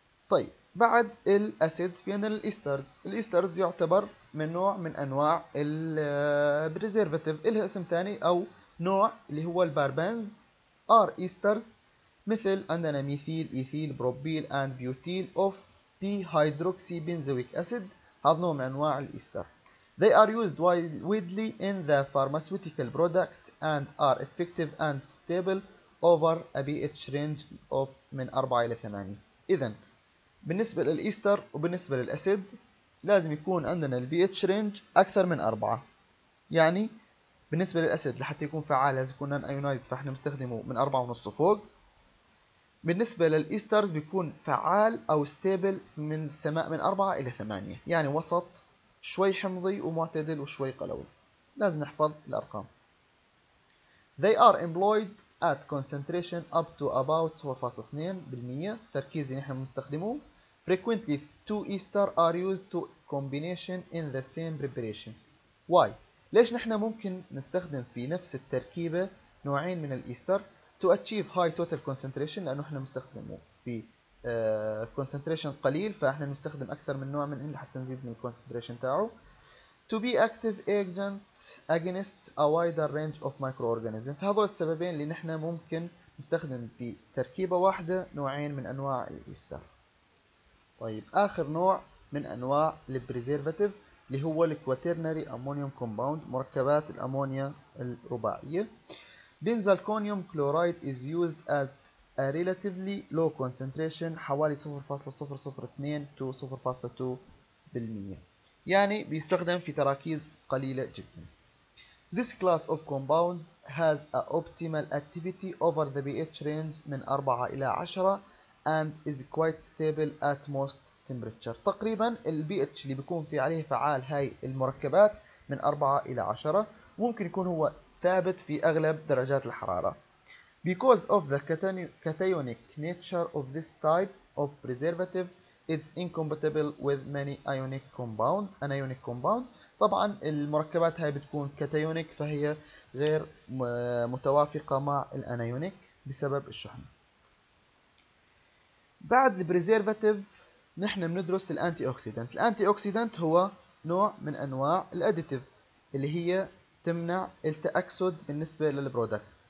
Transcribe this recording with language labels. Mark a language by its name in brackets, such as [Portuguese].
[Arabic] طيب بعد الاسيدز في عندنا الايسترز. الايسترز يعتبر من نوع من انواع البريزيرفاتيف، لها اسم ثاني او نوع اللي هو الباربنز ار ايسترز، مثل عندنا ميثيل ايثيل بروبيل اند بيوتيل اوف بي هيدروكسي بنزويك اسيد. هذا نوع من انواع الايستر. [English] They are used widely in the pharmaceutical product and are effective and stable over a pH range of [Arabic] من 4 إلى 8. إذن بالنسبة للإيستر وبالنسبة للأسيد لازم يكون عندنا الـ pH range أكثر من 4. يعني بالنسبة للأسيد لحتى يكون فعال لازم يكون non-ionized، فإحنا مستخدمه من 4.5 فوق. بالنسبة للإيسترز بيكون فعال أو stable من 4 إلى 8، يعني وسط شوي حمضي ومعتدل وشوي قلوي. لازم نحفظ الأرقام. [English] They are employed at concentration up to about 0.2%. [Arabic] تركيز اللي نحن مستخدمه. [English] Frequently two ester are used to combination in the same preparation. [Arabic] Why؟ ليش نحن ممكن نستخدم في نفس التركيبة نوعين من الإيستر [English] to achieve high total concentration؟ [Arabic] لأنه نحن مستخدمه في concentration قليل، فاحنا نستخدم اكثر من نوع من حتى نزيد من concentration تاعه. [English] To be active agent against a wider range of microorganisms. [Arabic] فهذول السببين اللي نحن ممكن نستخدم في تركيبة واحدة نوعين من انواع الايستر. طيب اخر نوع من انواع البريزيرفاتيف اللي هو الكواترنري امونيوم كومباوند، مركبات الامونيا الرباعية. [English] benzalkonium chloride is used at a relatively low concentration حوالي 0.002 to 0.2%، [Arabic] يعني بيستخدم في تراكيز قليلة جدا. [English] This class of compound has a optimal activity over the pH range [Arabic] من 4 إلى 10 [English] and is quite stable at most temperature. [Arabic] تقريبا ال pH اللي بيكون في عليه فعال هاي المركبات من 4 إلى 10 ممكن يكون هو ثابت في أغلب درجات الحرارة. [English] Because of the cationic nature of this type of preservative, it's incompatible with many ionic compounds. An ionic compound. [Arabic] طبعا المركبات هاي بتكون cationic فهي غير متوافقة مع الانيونيك بسبب الشحنة. بعد البريزيرفاتيف نحن بندرس الانتي اوكسيدنت. الانتي اوكسيدنت هو نوع من انواع الاديتيف اللي هي تمنع التأكسد بالنسبة للبرودكت.